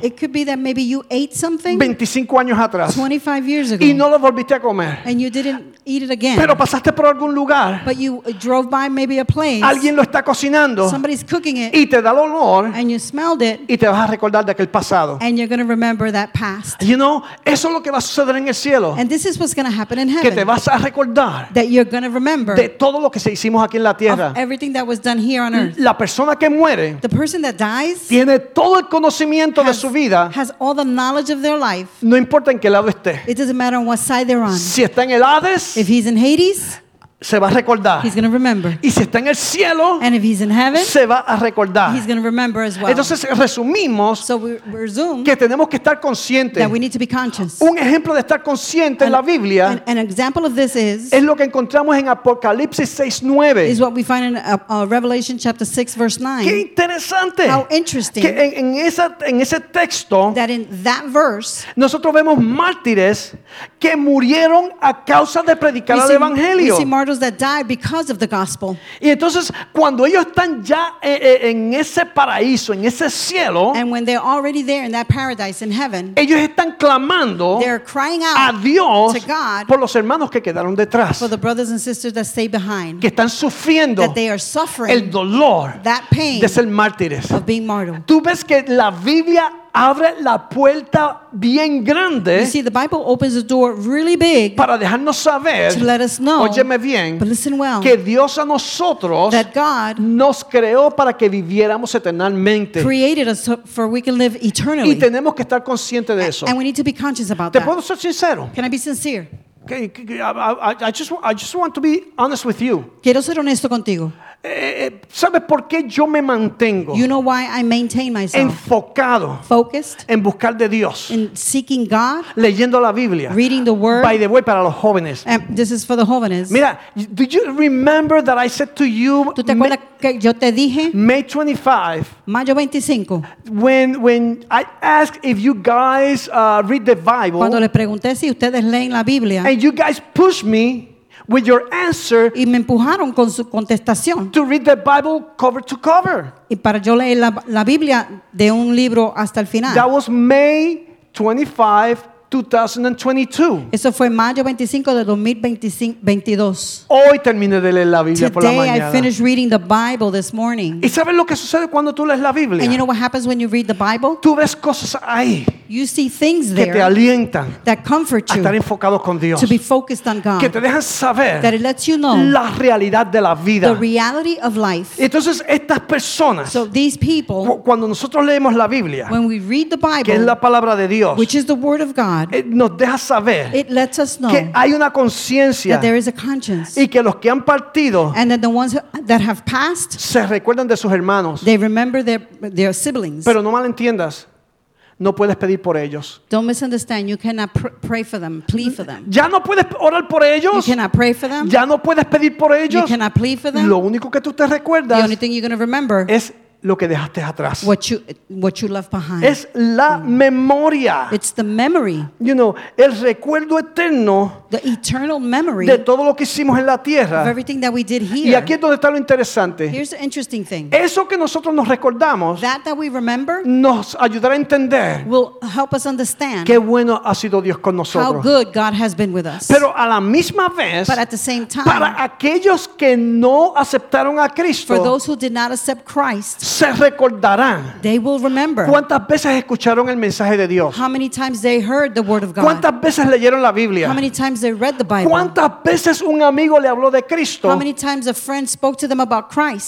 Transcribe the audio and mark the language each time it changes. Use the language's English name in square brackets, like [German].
[English] it could be that maybe you ate something [Spanish] 25 años atrás, [English] 25 years ago, [Spanish] y no lo volviste a comer. [English] And you didn't eat it again. [Spanish] Pero pasaste por algún lugar, [English] but you drove by maybe a place, [Spanish] alguien lo está cocinando, [English] somebody's cooking it, [Spanish] y te da el olor, [English] and you smelled it, [Spanish] y te vas a recordar de aquel pasado, [English] and you're going to remember that past. You know, [Spanish] eso es lo que va a suceder en el cielo, [English] and this is what's going to happen in heaven, [Spanish] que te vas a recordar, [English] that you're going to remember, [Spanish] de todo lo que se hicimos aquí en la tierra, [English] of everything that was done here on earth. [Spanish] La persona que muere, [English] the person that dies, [Spanish] tiene todo el conocimiento, [English] has, [Spanish] de su vida, [English] has all the knowledge of their life, [Spanish] no importa en qué lado esté, [English] it doesn't matter on what side they're on. [Spanish] Si está en el Hades, [English] if he's in Hades, [Spanish] se va a recordar. [English] He's going to remember. [Spanish] Y si está en el cielo, [English] and if he's in heaven, [Spanish] se va a recordar. [English] He's going to remember as well. [Spanish] Entonces resumimos, [English] so we resume, [Spanish] que tenemos que estar conscientes. [English] That we need to be conscious. [Spanish] Un ejemplo de estar consciente en la Biblia, [English] an example of this is, [Spanish] es lo que encontramos en Apocalipsis 6:9. [English] Is what we find in Revelation chapter 6 verse 9. [Spanish] Qué interesante. [English] How interesting. [Spanish] Que en ese texto, [English] that in that verse, [Spanish] nosotros vemos mártires que murieron a causa de predicar el evangelio. [English] That died because of the gospel. [Spanish] Y entonces cuando ellos están ya en ese paraíso, en ese cielo, [English] and when they're already there in that paradise in heaven, [Spanish] ellos están clamando, [English] they're crying out [Spanish] a Dios, [English] to God, [Spanish] por los hermanos que quedaron detrás, [English] for the brothers and sisters that stay behind, [Spanish] que están sufriendo, [English] that they are suffering, [Spanish] el dolor, [English] that pain, [Spanish] de ser mártires, [English] of being martyred. [Spanish] Tú ves que la Biblia abre la puerta bien grande. [English] You see, the Bible opens the door really big, [Spanish] para dejarnos saber, [English] to let us know, [Spanish] óyeme bien, [English] but listen well, [Spanish] que Dios a nosotros, [English] that God, [Spanish] nos creó para que viviéramos eternamente, [English] created us so, for we can live eternally, [Spanish] y tenemos que estar conscientes de eso, [English] and we need to be conscious about [Spanish] ¿te [English] that? [Spanish] Puedo ser sincero? [English] Can I be sincere? Okay, I just want to be honest with you. [Spanish] Quiero ser honesto contigo. ¿Sabes por qué yo me mantengo? [English] You know why I maintain myself. [Spanish] Enfocado. [English] Focused. [Spanish] En buscar de Dios. [English] In seeking God. [Spanish] Leyendo la Biblia. [English] Reading the word. By the way, [Spanish] para los jóvenes. [English] And this is for the jóvenes. Mira, do you remember that I said to you? [Spanish] ¿Tú te acuerdas que yo te dije? [English] May 25. [Spanish] Mayo 25. [English] When I asked if you guys read the Bible. [Spanish] Cuando les pregunté si ustedes leen la Biblia. [English] And you guys pushed me with your answer, [Spanish] y me empujaron con su contestación, [English] to read the Bible cover to cover, [Spanish] y para yo leer la Biblia de un libro hasta el final. [English] That was May 25, 2022. [Spanish] Eso fue mayo 25 de 2022. Hoy terminé de leer la Biblia [English] Today [Spanish] por la mañana. [English] Today I finished reading the Bible this morning. [Spanish] ¿Y sabes lo que sucede cuando tú lees la Biblia? [English] And you know what happens when you read the Bible? [Spanish] Tú ves cosas ahí. [English] You see things [Spanish] que [English] there [Spanish] te alientan [English] that comfort you [Spanish] a estar enfocado con Dios. [English] To be focused on God. [Spanish] Que te dejan saber [English] that it lets you know [Spanish] la realidad de la vida. [English] The reality of life. [Spanish] Entonces estas personas, [English] so these people, [Spanish] cuando nosotros leemos la Biblia, [English] when we read the Bible, [Spanish] que es la palabra de Dios, [English] which is the word of God, [Spanish] nos deja saber, [English] it lets us know, [Spanish] que hay una conciencia y que los que han partido, [English] and that the ones that have passed, [Spanish] se recuerdan de sus hermanos, [English] they remember their siblings. [Spanish] Pero no malentiendas, no puedes pedir por ellos. [English] Don't misunderstand, you cannot pray for them, plead for them. [Spanish] Ya no puedes orar por ellos. [English] You cannot pray for them. [Spanish] Ya no puedes pedir por ellos. [English] You cannot plead for them. [Spanish] Lo único que tú te recuerdas, [English] the only thing you're going to remember, [Spanish] es lo que dejaste atrás. [English] What you left behind. [Spanish] Es la memoria. [English] It's the memory. You know, [Spanish] el recuerdo eterno. [English] The eternal memory. [Spanish] De todo lo que hicimos en la tierra. [English] Of everything that we did here. [Spanish] Y aquí es donde está lo interesante. [English] Here's the interesting thing. [Spanish] Eso que nosotros nos recordamos. [English] That we remember. [Spanish] Nos ayudará a entender. [English] Will help us understand. [Spanish] Qué bueno ha sido Dios con nosotros. [English] How good God has been with us. [Spanish] Pero a la misma vez. [English] But at the same time. [Spanish] Para aquellos que no aceptaron a Cristo. [English] For those who did not accept Christ. [Spanish] Se recordarán. [English] They will remember. [Spanish] ¿Cuántas veces escucharon el mensaje de Dios? [English] How many times they heard the word of God? [Spanish] ¿Cuántas veces leyeron la Biblia? [English] How many times they read the Bible? [Spanish] ¿Cuántas veces un amigo le habló de Cristo? [English] How many times a friend spoke to them about Christ?